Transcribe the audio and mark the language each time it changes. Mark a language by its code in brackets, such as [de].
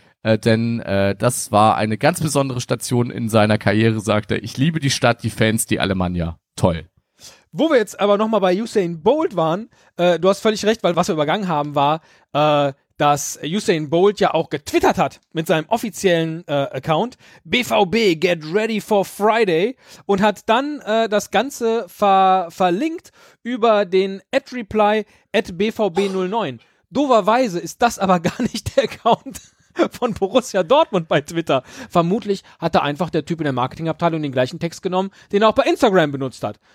[de] Denn das war eine ganz besondere Station in seiner Karriere, sagt er. Ich liebe die Stadt, die Fans, die Alemannia. Toll. Wo wir jetzt aber nochmal bei Usain Bolt waren, du hast völlig recht, weil was wir übergangen haben, war, dass Usain Bolt ja auch getwittert hat mit seinem offiziellen Account. [en] BVB, get ready for Friday. [de] Und hat dann das Ganze verlinkt über den @reply @BVB09. Doverweise ist das aber gar nicht der Account von Borussia Dortmund bei Twitter. Vermutlich hat da einfach der Typ in der Marketingabteilung den gleichen Text genommen, den er auch bei Instagram benutzt hat.